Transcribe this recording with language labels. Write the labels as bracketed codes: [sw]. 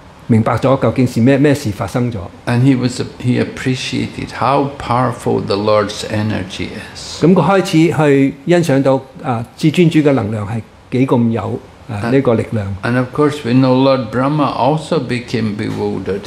[zh] 直至到他將他的精液排出來之後，他才明白了究竟是什麼事發生了。 [en] And he appreciated how powerful the Lord's energy is. [zh] 他開始去欣賞到至尊主的能量是多麼有力量。 [en] And of course we know Lord Brahma also became bewildered.